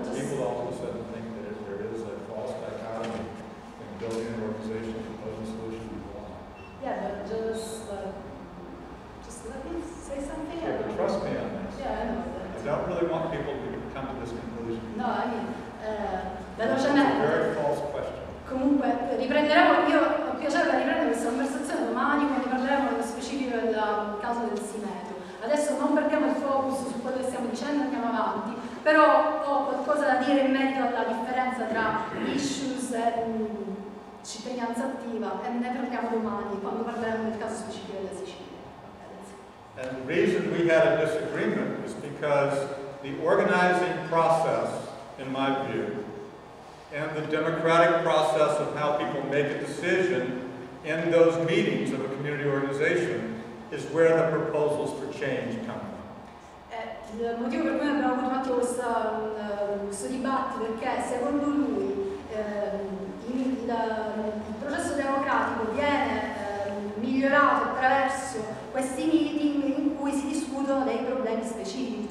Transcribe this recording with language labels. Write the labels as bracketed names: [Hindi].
[English] People all of a sudden think that if there is a false dichotomy in building an organization, proposing solutions, we want. Yeah, but just let me say something. You have to trust me on this. Yeah, I know that. I don't really want people to come to this conclusion. No, I mean, [Italian] velocemente. Comunque, riprenderemo, io ho piacere di riprendere questa conversazione domani, quindi parleremo nello specifico del caso del Simeto. Adesso non perdiamo il focus su quello che stiamo dicendo, andiamo avanti, però ho qualcosa da dire in merito alla differenza tra issues e cittadinanza attiva, e ne parliamo domani, quando parleremo del caso specifico della Sicilia. Grazie. [English] And the reason we had a disagreement is because the organizing process, in my view, and the democratic process of how people make a decision in those meetings of a community organization is where the proposals for change come from. [Italian] Il motivo per cui abbiamo fatto questo dibattito è che, secondo lui, il processo democratico viene migliorato attraverso questi meeting in cui si discutono dei problemi specifici.